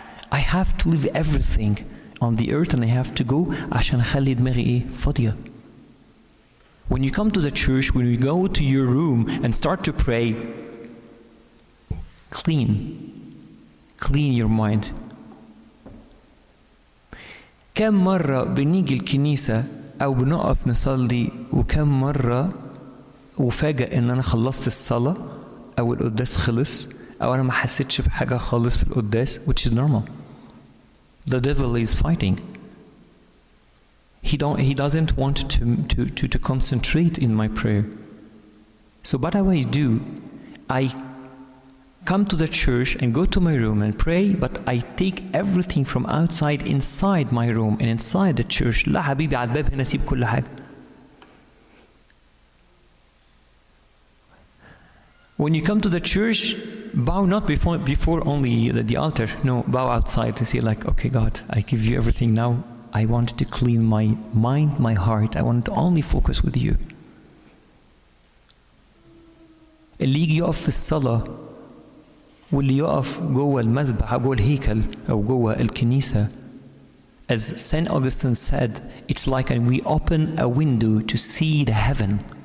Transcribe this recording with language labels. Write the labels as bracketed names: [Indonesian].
[English] I have to leave everything on the earth and I have to go [Arabic] عشان أخلي دماغي إيه فاضية. [English] When you come to the church, when you go to your room and start to pray, clean your mind. [Arabic] كم مرة بنيجي الكنيسة أو بنقف نصلي وكم مرة وفاجأ إن أنا خلصت الصلاة أو القداس خلص أو أنا ما حسيتش بحاجة خالص في القداس, [English] which is normal. The devil is fighting. He doesn't want to concentrate in my prayer. So what do I do? I come to the church and go to my room and pray, but I take everything from outside inside my room and inside the church. [Arabic] لا حبيبي على الباب هنا سيب كل حاجة. [English] When you come to the church, bow not before only the altar. No, bow outside to say like, okay, God, I give you everything now. I want to clean my mind, my heart. I want to only focus with you. [Arabic] اللي يجي يقف في الصلاة واللي يقف جوه المذبح أو جوه الهيكل أو جوه الكنيسة, [English] as Saint Augustine said, it's like we open a window to see the heaven.